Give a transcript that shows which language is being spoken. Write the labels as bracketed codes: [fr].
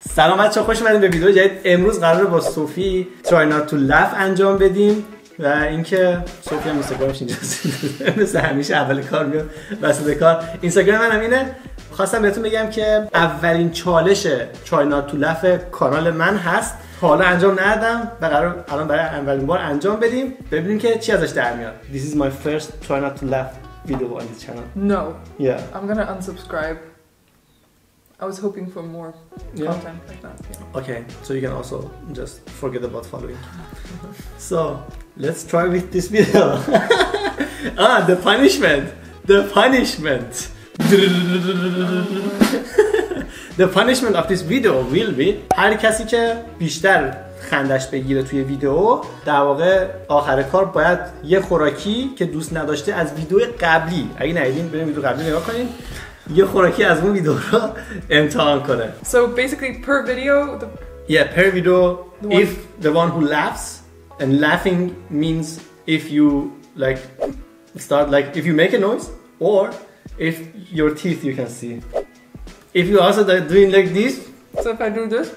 [fa] سلام بچه‌ها، خوش اومدین به ویدیو جدید. امروز قراره با سوفی [en] try not to laugh [fa] انجام بدیم و اینکه سوفی هم اینستاگرامش اینجاست مثل همیشه اول کار میاد وسط کار. اینستاگرام من هم اینه. خواستم بهتون بگم که اولین چالش [en] try not to laugh [fa] کانال من هست، حالا انجام ندادم و قرار الان برای اولین بار انجام بدیم، ببینیم که چی ازش در میاد. [en] This is my first try not to laugh video on this channel. No. Yeah. I'm gonna unsubscribe. I was hoping for more content like that. Yeah. Okay, so you can also just forget about following. So, let's try with this video. Ah, the punishment. The punishment. The punishment of this video will be [fa] هر کسی که بیشتر خندش بگیره توی ویدیو، در واقع آخر کار باید یه خوراکی که دوست نداشته از ویدیو قبلی، اگه ندیدین بریم ویدیو قبلی نگاه کنین، یه خوراکی از اون ویدیو را امتحان کنه. [en] So basically per video the... Yeah, per video the if the one who laughs, and laughing means if you like start like if you make a noise or if your teeth you can see. If you also doing like this. So if I do this?